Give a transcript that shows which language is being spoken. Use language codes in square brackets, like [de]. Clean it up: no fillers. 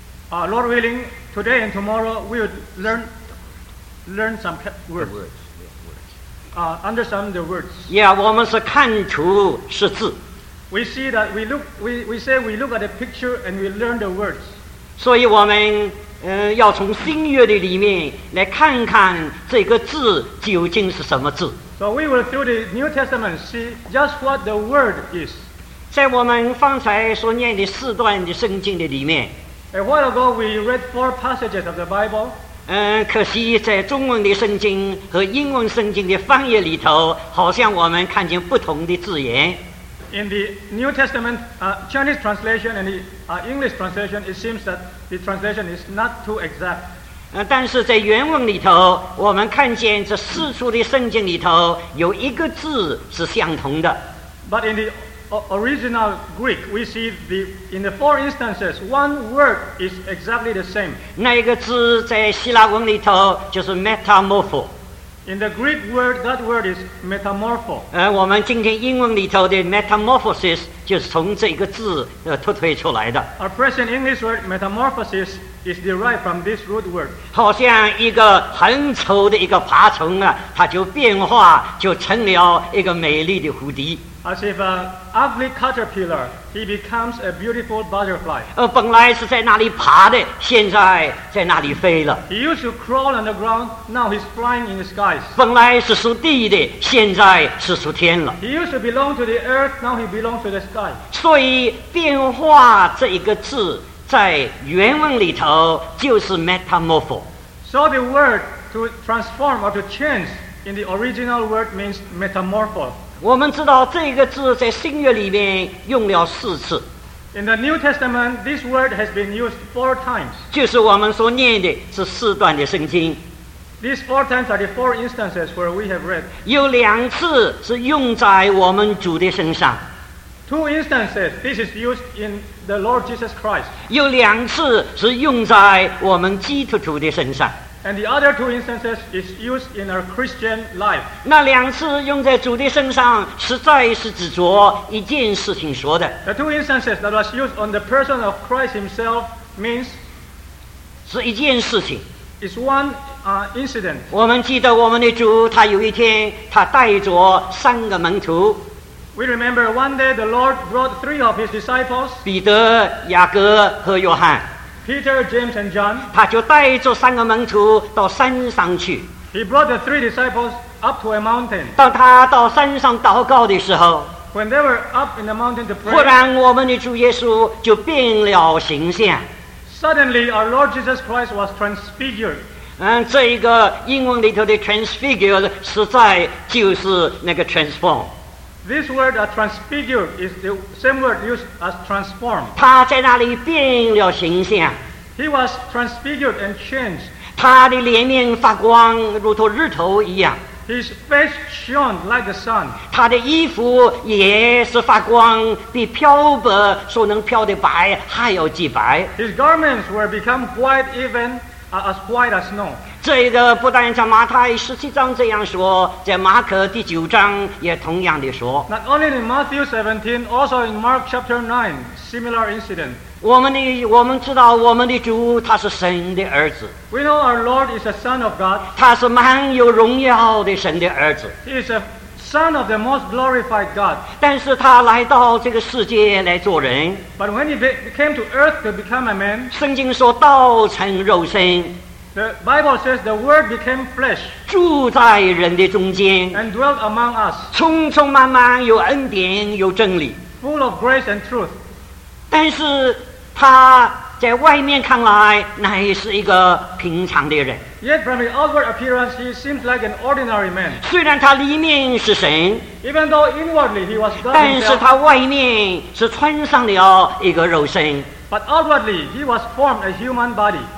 [en] Lord willing, today and tomorrow we will learn some words. Understand the words. [zh] Yeah, 我们是看图识字。 [en] We see that we look at the picture and we learn the words. [zh] 所以我们要从新约的里面来看看这个字究竟是什么字。 [en] So we will through the New Testament see just what the word is. [zh] 在我们方才所念的四段的圣经的里面。 [en] A while ago, we read four passages of the Bible. [zh] 可惜在中文的圣经和英文圣经的翻译里头，好像我们看见不同的字眼。 [en] In the New Testament, Chinese translation and the English translation, it seems that the translation is not too exact. [zh] 但是在原文里头，我们看见这四处的圣经里头有一个字是相同的。 [en] But in the original Greek, we see the in the four instances, one word is exactly the same. [zh] 那一个字在希腊文里头就是 metamorpho. [en] In the Greek word, that word is metamorpho. [zh] 我们今天英文里头的 metamorphosis 就是从这个字脱胎出来的。 [en] Our present English word metamorphosis is derived from this root word. [zh] 好像一个很丑的一个爬虫啊，它就变化就成了一个美丽的蝴蝶。 [en] As if an ugly caterpillar, he becomes a beautiful butterfly. [zh] 本来是在那里爬的，现在在那里飞了。 [en] He used to crawl on the ground, now he's flying in the skies. [zh] 本来是属地的，现在是属天了。 [en] He used to belong to the earth, now he belongs to the sky. [zh] 所以变化这一个字在原文里头就是 metamorpho. [en] So the word to transform or to change in the original word means metamorpho. [zh] 我们知道这个字在新约里面用了四次。 [en] In the New Testament, this word has been used four times. [zh] 就是我们所念的是四段的圣经。 [en] These four times are the four instances where we have read. [zh] 有两次是用在我们主的身上。 [en] Two instances, this is used in the Lord Jesus Christ. [zh] 有两次是用在我们基督徒的身上。 [en] And the other two instances is used in our Christian life. [zh] 那两次用在主的身上，实在是指着一件事情说的。 [en] The two instances that was used on the person of Christ himself means [zh] 是一件事情。 [en] It's one incident. [zh] 我们记得我们的主，他有一天他带着三个门徒。 [en] We remember one day the Lord brought three of his disciples. [zh] 彼得、雅各和约翰。 [en] Peter, James, and John. [zh] 他就带着三个门徒到山上去。 [en] He brought the three disciples up to a mountain. [zh] 当他到山上祷告的时候， [en] When they were up in the mountain to pray, [zh] 忽然我们的主耶稣就变了形象。 [en] Suddenly, our Lord Jesus Christ was transfigured. [zh] 这一个英文里头的 transfigured 实在就是那个 transform。 [en] This word, a transfigure, is the same word used as transform. [zh] 他在那里变了形象。 [en] He was transfigured and changed. [zh] 他的脸面发光，如同日头一样。 [en] His face shone like the sun. [zh] 他的衣服也是发光，比漂白所能漂的白还要极白。 [en] His garments were become white even as white as snow. [zh] 这个不但在马太十七章这样说，在马可第九章也同样的说。 [en] Not only in Matthew 17, also in Mark chapter 9, similar incident. [zh] 我们知道我们的主他是神的儿子。 [en] We know our Lord is a son of God. [zh] 他是满有荣耀的神的儿子。 [en] He is a son of the most glorified God. [zh] 但是他来到这个世界来做人。 [en] But when he came to earth to become a man, [zh] 圣经说道成肉身。 [en] The Bible says the Word became flesh, [zh] 住在人的中间， [en] and dwelt among us, [zh] 匆匆忙忙有恩典有真理， [en] full of grace and truth. [zh] 但是他在外面看来乃是一个平常的人。 [en] Yet from his outward appearance, he seemed like an ordinary man. [zh] 虽然他里面是神， [en] even though inwardly he was God. [zh] 但是他外面是穿上了一个肉身。 [en] But outwardly he was formed a human body.